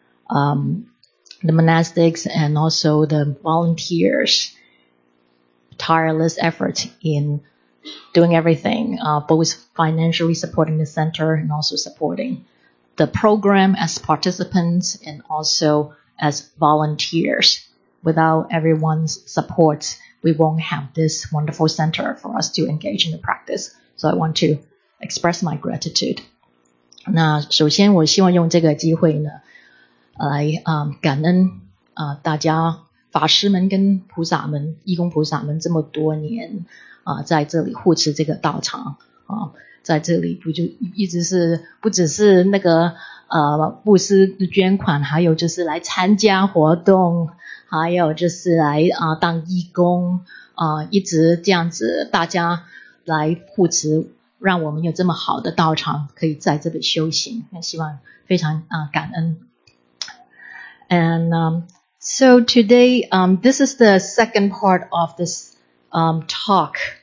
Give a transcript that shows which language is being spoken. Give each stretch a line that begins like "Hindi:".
English: The monastics and also the volunteers' tireless effort in doing everything, both financially supporting the center and also supporting. The program as participants and also as volunteers. Without everyone's support, we won't have this wonderful center for us to engage in the practice. So I want to express my gratitude.
Chinese: 那首先我希望用这个机会呢来感恩大家法师们跟菩萨们义工菩萨们这么多年在这里护持这个道场在这里不就一直是不只是那个布施捐款，还有就是来参加活动，还有就是来当义工一直这样子大家来护持，让我们有这么好的道场可以在这里修行。那希望非常感恩。
English: And so today this is the second part of this talk.